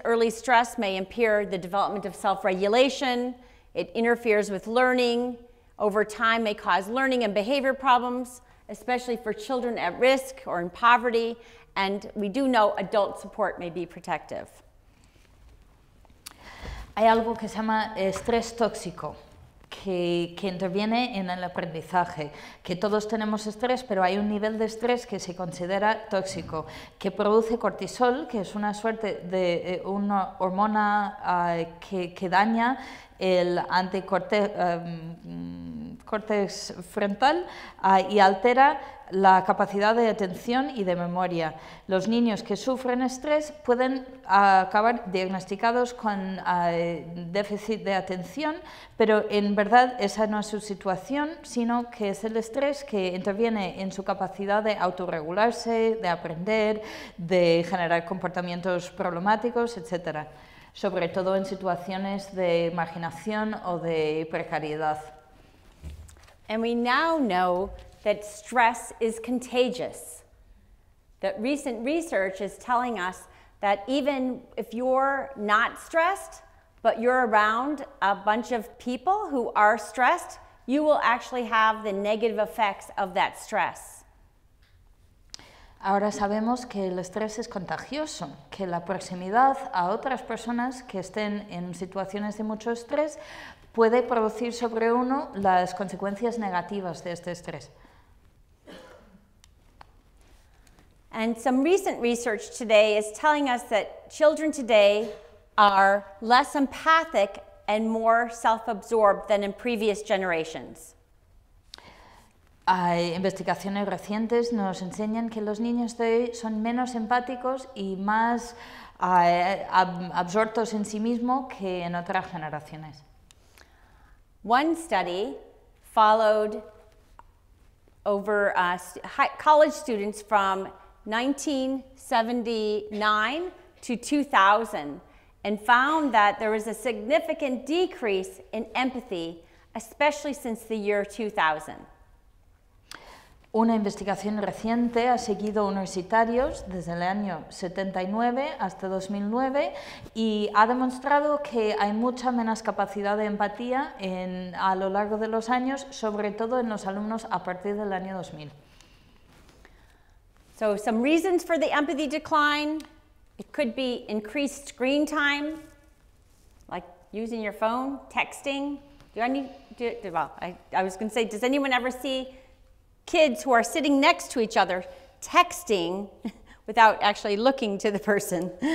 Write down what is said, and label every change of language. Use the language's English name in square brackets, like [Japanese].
[English] Early stress may impair the development of self-regulation. It interferes with learning. Over time may cause learning and behavior problems, especially for children at risk or in poverty. And we do know adult support may be protective. [Spanish] Hay algo que se llama estrés tóxico, que interviene en el aprendizaje. Que todos tenemos estrés, pero hay un nivel de estrés que se considera tóxico, que produce cortisol, que es una suerte de una hormona que daña el córtex frontal y altera la capacidad de atención y de memoria. Los niños que sufren estrés pueden acabar diagnosticados con déficit de atención, pero en verdad esa no es su situación, sino que es el estrés que interviene en su capacidad de autorregularse, de aprender, de generar comportamientos problemáticos, etc. Sobre todo en situaciones de marginación o de precariedad. [English] And we now know that stress is contagious. That recent research is telling us that even if you're not stressed, but you're around a bunch of people who are stressed, you will actually have the negative effects of that stress. [Spanish] Ahora sabemos que el estrés es contagioso, que la proximidad a otras personas que estén en situaciones de mucho estrés puede producir sobre uno las consecuencias negativas de este estrés. [English] And some recent research today is telling us that children today are less empathic and more self-absorbed than in previous generations. [Spanish] Hay investigaciones recientes nos enseñan que los niños de hoy son menos empáticos y más absortos en sí mismo que en otras generaciones. [English] One study followed over college students from 1979 to 2000 and found that there was a significant decrease in empathy, especially since the year 2000. [Spanish] Una investigación reciente ha seguido universitarios desde el año 79 hasta 2009 y ha demostrado que hay mucha menos capacidad de empatía a lo largo de los años, sobre todo en los alumnos a partir del año 2000. [English] So, some reasons for the empathy decline. It could be increased screen time, like using your phone, texting. Does anyone ever see kids who are sitting next to each other texting without actually looking to the person?